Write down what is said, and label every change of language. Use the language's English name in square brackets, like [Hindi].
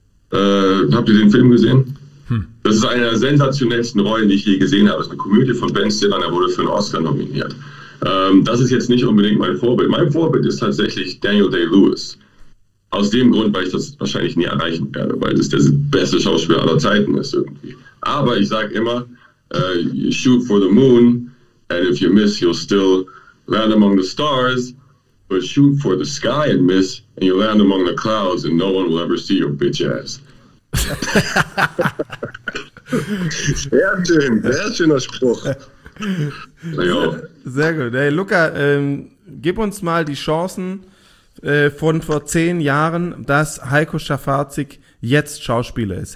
[German] Habt ihr den Film gesehen? Das ist eine der sensationellsten Rollen, die ich je gesehen habe. Das ist eine Komödie von Ben Stiller, er wurde für einen Oscar nominiert. Das ist jetzt nicht unbedingt mein Vorbild. Mein Vorbild ist tatsächlich Daniel Day-Lewis. Aus dem Grund, weil ich das wahrscheinlich nie erreichen werde, weil das der beste Schauspieler aller Zeiten ist irgendwie. Aber ich sage immer, [English] you shoot for the moon, and if you miss, you'll still land among the stars. But shoot for the sky and miss, and you land among the clouds, and no one will ever see your bitch ass. [German] Sehr schön, sehr schöner Spruch. Sehr gut. Hey Luca, gib uns mal die Chancen von vor 10 Jahren, dass Heiko Schafazik jetzt Schauspieler ist.